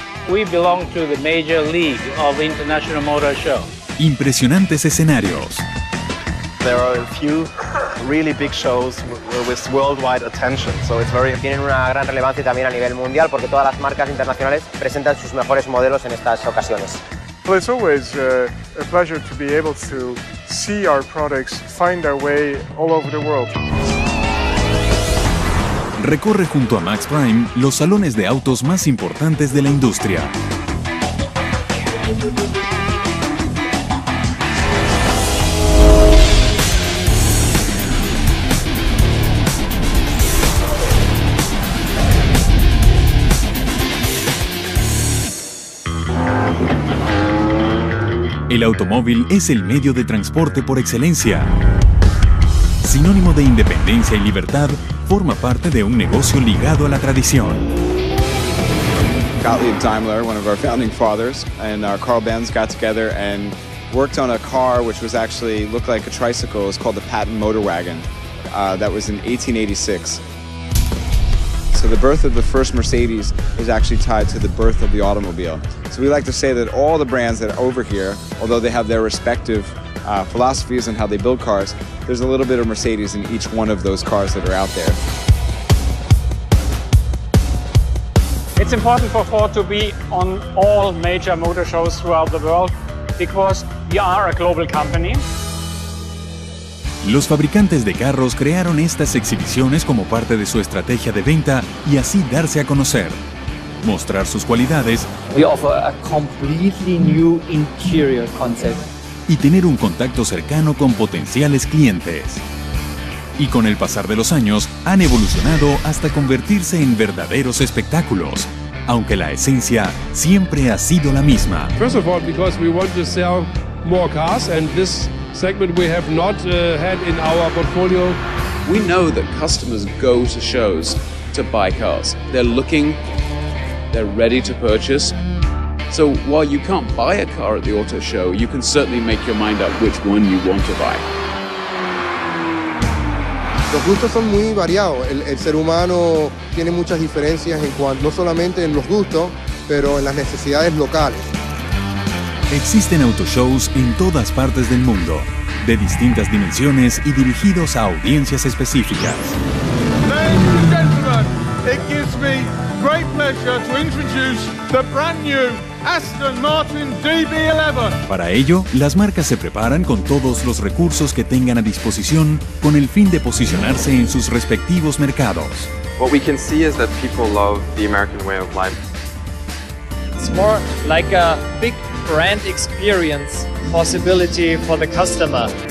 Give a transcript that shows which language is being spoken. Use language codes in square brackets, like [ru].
[en] We belong to the major league of international motor show. [es] Impresionantes escenarios. [en] There are a few really big shows with worldwide attention, so it's very. [es] Tienen una gran relevancia también a nivel mundial porque todas las marcas internacionales presentan sus mejores modelos en estas ocasiones. [en] Well, it's always a pleasure to be able to see our products find their way all over the world. [es] Recorre junto a Max Prime los salones de autos más importantes de la industria. El automóvil es el medio de transporte por excelencia. Sinónimo de independencia y libertad, forma parte de un negocio ligado a la tradición. [en] Gottlieb Daimler, one of our founding fathers, and our Carl Benz got together and worked on a car which was actually looked like a tricycle. It was called the Patent Motor Wagon. That was in 1886. So the birth of the first Mercedes is actually tied to the birth of the automobile. So we like to say that all the brands that are over here, although they have their respective philosophies on how they build cars, there's a little bit of Mercedes in each one of those cars that are out there. It's important for Ford to be on all major motor shows throughout the world because we are a global company. [es] Los fabricantes de carros crearon estas exhibiciones como parte de su estrategia de venta y así darse a conocer, mostrar sus cualidades. [en] We offer a completely new interior concept. [es] Y tener un contacto cercano con potenciales clientes. Y con el pasar de los años, han evolucionado hasta convertirse en verdaderos espectáculos, aunque la esencia siempre ha sido la misma. [en] First of all, because we want to sell more cars, and this segment we have not had in our portfolio. We know that customers go to shows to buy cars. They're looking, they're ready to purchase. So while you can't buy a car at the auto show, you can certainly make your mind up which one you want to buy. [es] Los gustos son muy variados. El ser humano tiene muchas diferencias en cuanto no solamente en los gustos, pero en las necesidades locales. Existen autoshows en todas partes del mundo, de distintas dimensiones y dirigidos a audiencias específicas. [en] Ladies and gentlemen, it gives me great pleasure to introduce the brand new Aston Martin DB11. [es] Para ello, las marcas se preparan con todos los recursos que tengan a disposición con el fin de posicionarse en sus respectivos mercados. [en] What we can see is that people love the American way of life. It's more like a big brand experience possibility for the customer.